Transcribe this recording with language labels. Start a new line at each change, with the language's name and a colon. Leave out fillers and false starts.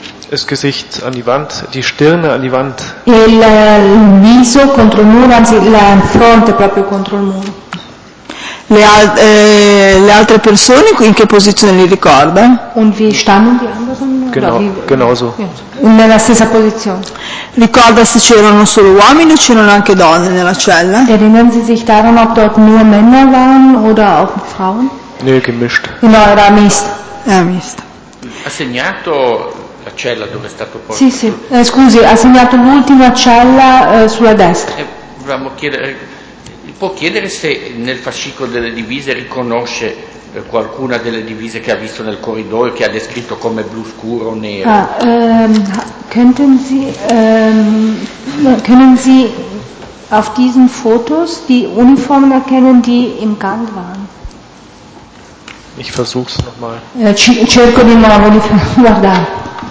German: Das Gesicht an die Wand, die Stirne an die Wand.
Italian: Il viso contro il muro, anzi la fronte proprio contro il muro. Le altre persone in che posizione li ricorda?
German: Und wie standen die anderen? Genauso.
Italian: Nella stessa posizione. Ricorda se c'erano solo uomini o c'erano anche donne nella cella?
German: Erinnern Sie sich daran, ob dort nur Männer waren oder auch Frauen? Nee, gemischt.
Italian: No, era misto. Ha segnato la cella dove è stato portato. Sì, sì. Scusi, ha segnato l'ultima cella sulla destra. Vogliamo chiedere, può chiedere se nel fascicolo delle divise riconosce qualcuna delle divise che ha visto nel corridoio, che ha descritto come blu scuro o nero?
German: Können Sie auf diesen Fotos die Uniformen erkennen, die im Gang waren? Ich versuch's nochmal.
Italian: Cerco di nuovo di guardare.